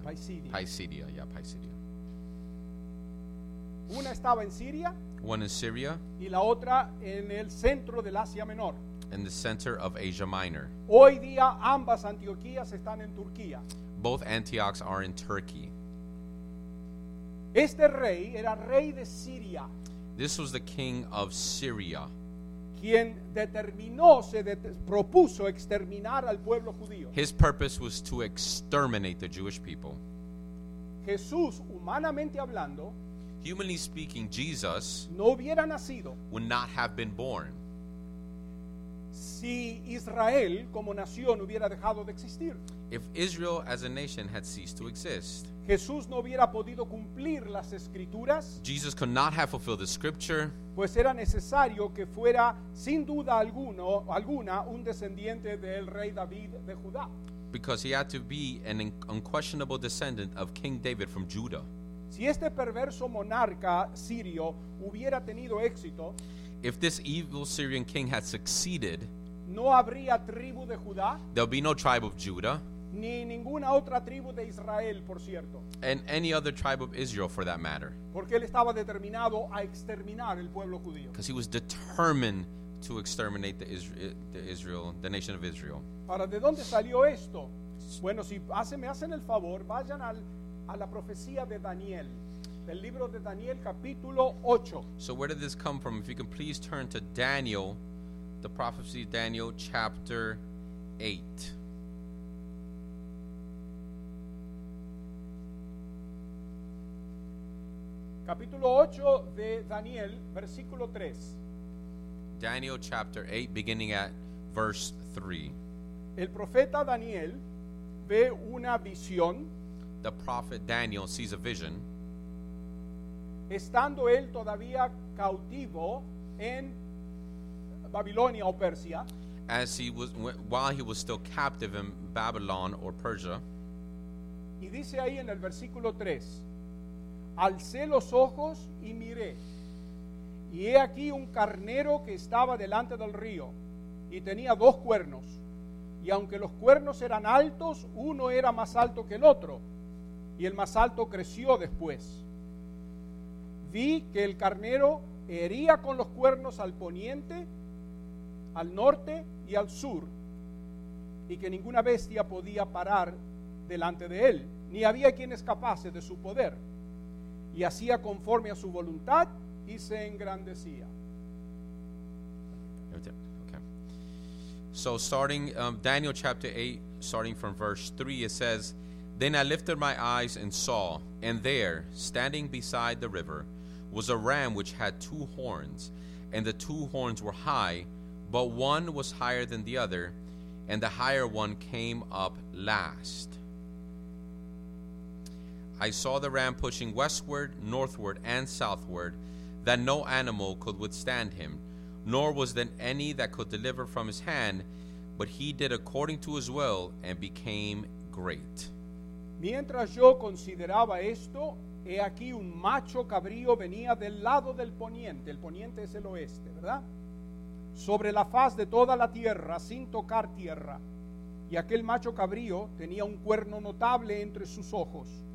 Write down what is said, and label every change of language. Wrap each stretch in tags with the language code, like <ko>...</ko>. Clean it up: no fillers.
<en>Pisidia. Pisidia, yeah, Pisidia.</en> <es>Una estaba en Siria.</es> <en>One in Syria.</en> <es>Y la otra en el centro del Asia Menor.</es> <en>In the center of Asia Minor.</en> <es>Hoy día ambas Antioquías están en Turquía.</es> <en>Both Antiochs are in Turkey.</en> <es>Este rey era rey de Siria.</es> <en>This was the king of Syria.</en> <es>Quien determinó, propuso exterminar al pueblo judío.</es> <en>His purpose was to exterminate the Jewish people.</en> <es>Jesús, humanamente hablando,</es> <en>humanly speaking, Jesus</en> <es>no hubiera nacido,</es> <en>would not have been born,</en> <es>si Israel como nación hubiera dejado de existir.</es> <en>If Israel as a nation had ceased to exist,</en> <es>Jesús no hubiera podido cumplir las escrituras.</es> <en>Jesus could not have fulfilled the scripture.</en> <es>Pues era necesario que fuera sin duda alguna un descendiente del rey David de Judá.</es> <en>Because he had to be an unquestionable descendant of King David from Judah.</en> <es>Si este perverso monarca sirio hubiera tenido éxito,</es> <en>if this evil Syrian king had succeeded,</en> <es>no habría tribu de Judá.</es> <en>There'll be no tribe of Judah.</en> <es>Ni ninguna otra tribu de Israel, por cierto.</es> <en>And any other tribe of Israel, for that matter.</en> <es>Porque él estaba determinado a exterminar el pueblo judío.</es> <en>Because he was determined to exterminate the nation of Israel.</en> <es>Ahora, ¿de dónde salió esto? Bueno, si me hacen el favor, vayan a la profecía de Daniel. Del libro de Daniel, capítulo 8.</es> <en>So where did this come from? If you can please turn to Daniel, the prophecy of Daniel, chapter 8.</en> <es>Capítulo 8 de Daniel, versículo 3.</es> <en>Daniel chapter 8, beginning at verse 3.</en> <es>El profeta Daniel ve una visión.</es> <en>The prophet Daniel sees a vision.</en> <es>Estando él todavía cautivo en Babilonia o Persia.</es> <en>As he was, while he was still captive in Babylon or Persia.</en> <es>Y dice ahí en el versículo 3. Alcé los ojos y miré, y he aquí un carnero que estaba delante del río, y tenía dos cuernos, y aunque los cuernos eran altos, uno era más alto que el otro, y el más alto creció después. Vi que el carnero hería con los cuernos al poniente, al norte y al sur, y que ninguna bestia podía parar delante de él, ni había quien escapase de su poder. Y hacía conforme a su voluntad y se engrandecía.</es> <en>Okay. So starting Daniel chapter 8, starting from verse 3, it says, Then I lifted my eyes and saw, and there, standing beside the river, was a ram which had two horns, and the two horns were high, but one was higher than the other, and the higher one came up last. I saw the ram pushing westward, northward, and southward, that no animal could withstand him, nor was there any that could deliver from his hand, but he did according to his will and became great.</en> <es>Mientras yo consideraba esto, he aquí un macho cabrío venía del lado del poniente. El poniente es el oeste, ¿verdad? Sobre la faz de toda la tierra, sin tocar tierra. Y aquel macho cabrío tenía un cuerno notable entre sus ojos.</es>